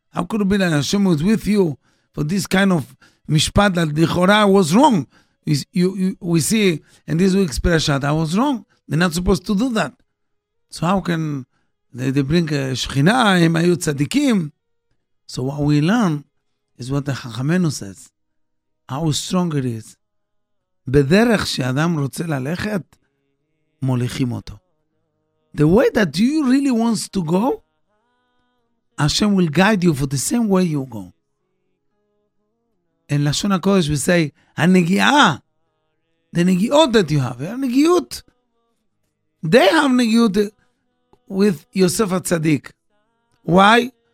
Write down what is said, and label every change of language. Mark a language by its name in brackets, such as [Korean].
[English] How could it be that Hashem was with you for this kind of mishpat that the Chorah was wrong? We see in this week's parashat, I was wrong. They're not supposed to do that. So how can they bring a Shekhinah, [Hebrew] Hem Hayu Tzadikim? [English] So what we learn is what the Chachamenu says. How strong it is. [Hebrew] בדרך שאדם רוצה ללכת, מוליכים אותו. [English] The way that you really wants to go, Hashem will guide you for the same way you go. in Lashon HaKodesh, we say, הנגיעה, the נגיעות that you have, הנגיעות. They have נגיעות with Yosef HaTzadik. Why?